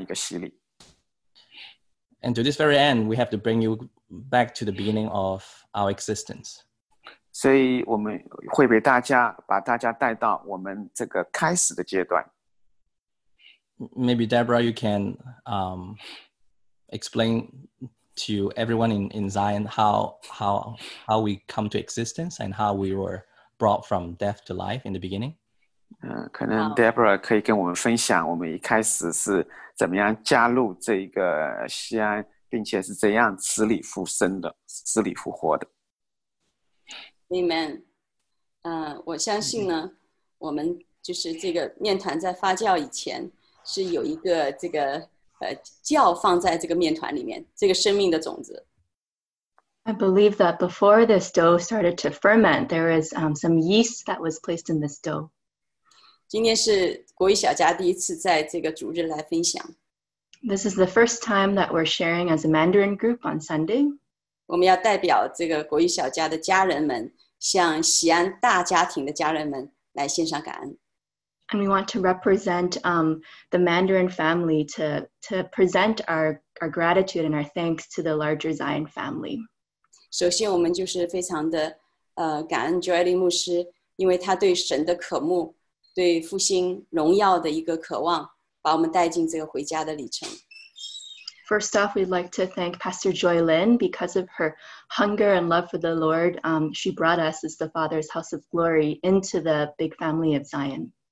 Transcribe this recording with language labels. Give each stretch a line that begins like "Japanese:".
Chinese: 我现在明白这个爱的洗礼实际上是需要我们去死，然后又是能够带来重生的这样一个洗礼。And
English: to this very end, we have to bring you back to the beginning of our existence.
Chinese: 所以我们会被大家带到我们这个开始的阶段。
English: Maybe Deborah, you can explain to everyone in Zion how we come to existence and how we were brought from death to life in the beginning.
Chinese: 可能 Deborah 可以跟我们分享我们一开始是怎么样加入这个西安并且是怎样死里复生的，死里复活的。 Amen。我相信呢，我们就是这个面团在发酵以前是有一个这个酵放在这个面团里面，这个生命的种子。
English: I believe that before this dough started to ferment, there is some yeast that was placed in this dough.
Chinese: 今天是国语小家第一次在这个主日来分享。
English: This is the first time that we're sharing as a Mandarin group on Sunday.
Chinese: 我们要代表这个国语小家的家人们，向西安大家庭的家人们来献上感恩。
English: And we want to represent the Mandarin family to present our gratitude and our thanks to the larger Zion family.
Chinese: 首先我们就是非常的感恩 Joy Lee 牧师，因为他对神的渴慕，对复兴荣耀的一个渴望，把我们带进这个回家的旅程。
English: First off, we'd like to thank Pastor Joy Lin because of her hunger and love for the Lord. She brought us as the Father's house of glory into the big family of Zion.